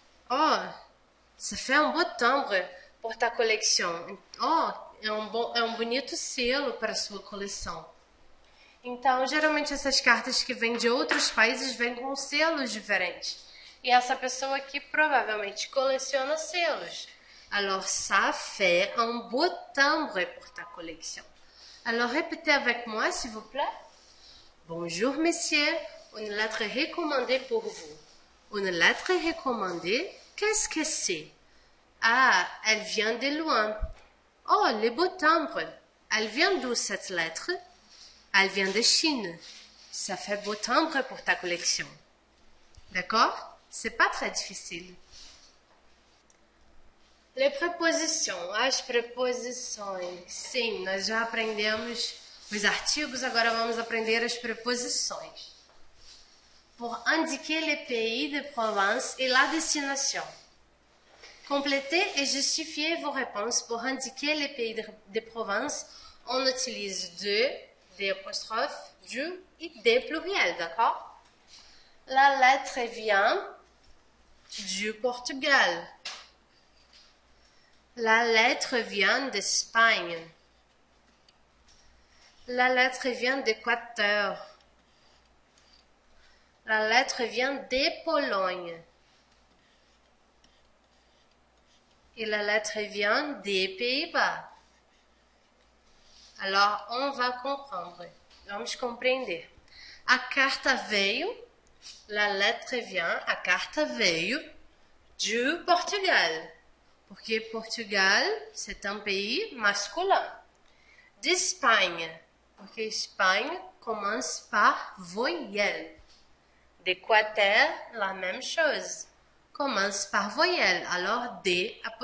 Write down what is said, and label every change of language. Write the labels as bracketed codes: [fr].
[fr] Oh, ça fait un beau timbre pour ta collection. [pt] Oh, é um bonito selo para sua coleção. Então, geralmente essas cartas que vêm de outros países vêm com selos diferentes. E essa pessoa aqui provavelmente coleciona selos. [fr] Alors, ça fait un beau timbre pour ta collection. Alors, répétez avec moi, s'il vous plaît. Bonjour, monsieur. Une lettre recommandée pour vous. Une lettre recommandée. Qu'est-ce que c'est? Ah, elle vient de loin. Oh, le beau timbre. Elle vient d'où, cette lettre? Elle vient de Chine. Ça fait beau timbre pour ta collection. D'accord? C'est pas très difficile. Les prépositions, [pt] as preposições. Sim, nós já aprendemos os artigos, agora vamos aprender as preposições. [fr] Pour indiquer le pays de province et la destination. Complétez et justifiez vos réponses pour indiquer le pays de province. On utilise de apostrophe, du et de pluriel, d'accord? La lettre vient du Portugal. La lettre vient d'Espagne. La lettre vient d'Équateur. La lettre vient de Pologne. Et la lettre vient des Pays-Bas. Alors, on va comprendre. [pt] Vamos compreender. A carta veio. [fr] La lettre vient. [pt] A carta veio du Portugal. Porque Portugal, [fr] c'est un pays masculin. D'Espagne. [pt] Porque Espanha [fr] commence par voyelle. D'Équateur, la même chose. Commence par voyelle, alors D'.